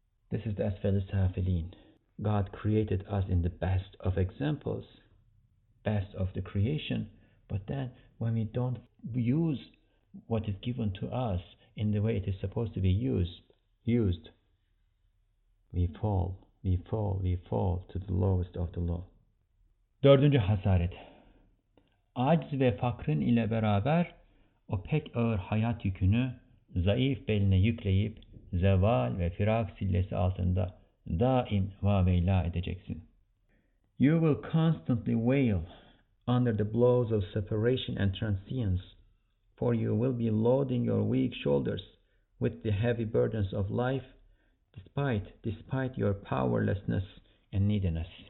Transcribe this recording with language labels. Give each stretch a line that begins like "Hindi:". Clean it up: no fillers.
English: This is the Asfal Safilin. God created us in the best of examples, best of the creation, but then when we don't use what is given to us in the way it is supposed to be used, we fall to the lowest of the low.
Turkish: Dördüncü hasaret. Aciz ve fakrın ile beraber o pek ağır hayat yükünü zayıf beline yükleyip zeval ve firak sillesi altında daim vaveyla edeceksin.
English: You will constantly wail under the blows of separation and transience, for you will be loading your weak shoulders with the heavy burdens of life despite your powerlessness and neediness.